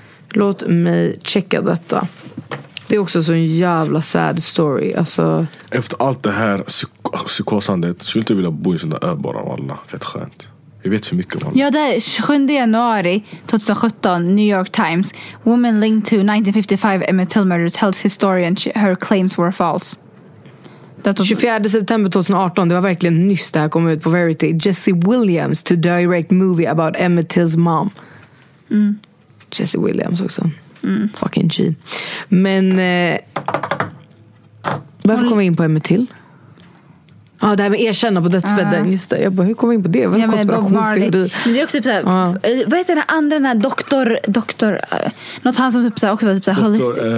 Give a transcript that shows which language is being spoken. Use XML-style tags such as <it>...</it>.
<sv>Låt mig checka detta. Det är också så en jävla</sv> <en>sad story.</en> <sv>Alltså... Efter allt det här psykosandet skulle inte vilja bo i sådana öbara av alla. Fett skönt. Jag vet så mycket om honom. Ja, det är 7 januari 2017, New York Times.</sv> <en>Woman linked to 1955 Emmett Till murder tells historian her claims were false.</en> <sv>24 september 2018, det var verkligen nyss det här kom ut på Verity.</sv> <en>Jesse Williams to direct movie about Emmett Till's mom. Mm.</en> <sv>Jesse Williams också. Mm.</sv> <en>Fucking G.</en> <sv>Men, varför kom vi in på Emmett Till? Ja, det här med erkänna på dödsbädden, just det. Jag bara, hur kom vi in på det? Vad konspirationsteori? Men det är också typ såhär, vad heter den andra, den här doktor, något han som typ såhär också var typ såhär holistic.</sv>